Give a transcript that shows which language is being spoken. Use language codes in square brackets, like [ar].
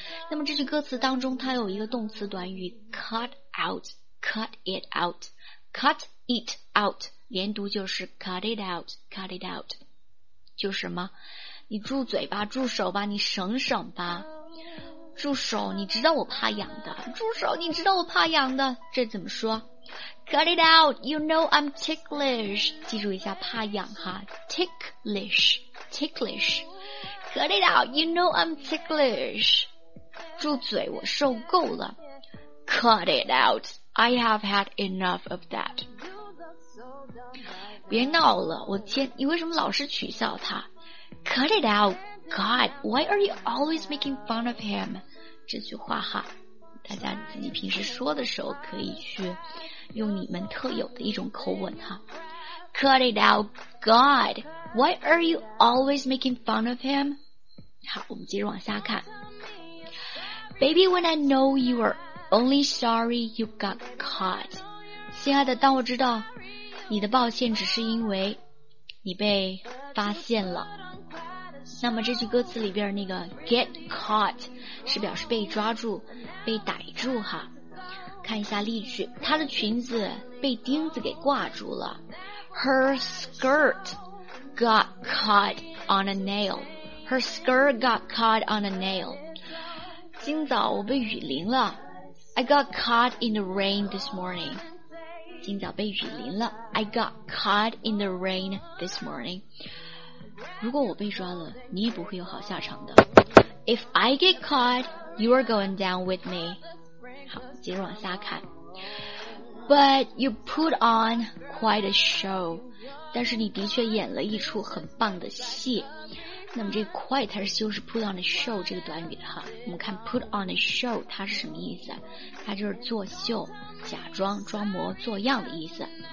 [zh] 那么这句歌词当中它有一个动词短语 cut it out。连读就是 cut it out， 就什么，你住嘴巴，住手吧，你省省吧，住手，你知道我怕痒的，住手，你知道我怕痒的，这怎么说？ [en] cut it out， you know I'm ticklish， [zh] 记住一下怕痒哈， [en] ticklish， cut it out， you know I'm ticklish， [zh] 住嘴，我受够了， [en] cut it out， I have had enough of that。 [zh] 别闹了，我天，你为什么老是取笑他？ [en] Cut it out, God, why are you always making fun of him? [zh] 这句话哈，大家自己平时说的时候可以去用你们特有的一种口吻哈。 [en] Cut it out, God, why are you always making fun of him? [zh] 好，我们接着往下看。 [en] Baby, when I know you are only sorry you got caught. [zh] 亲爱的，当我知道你的抱歉只是因为你被发现了。那么这句歌词里边那个 get caught 是表示被抓住被逮住哈。看一下例句，她的裙子被钉子给挂住了。 [en] Her skirt got caught on a nail. Her skirt got caught on a nail. [zh] 今早我被雨淋了。 [en] I got caught in the rain this morning. [zh] 今早被雨淋了。 [en] I got caught in the rain this morning. [zh] 如果我被抓了，你也不会有好下场的。 [en] If I get caught, you are going down with me. [zh] 好，接着往下看。 [en] But you put on quite a show. [zh] 但是你的确演了一出很棒的戏。那么这 quite 它就是 put on a show 这个短语的哈。我们看 put on a show 它是什么意思？它就是作秀、假装、装模作样的意思。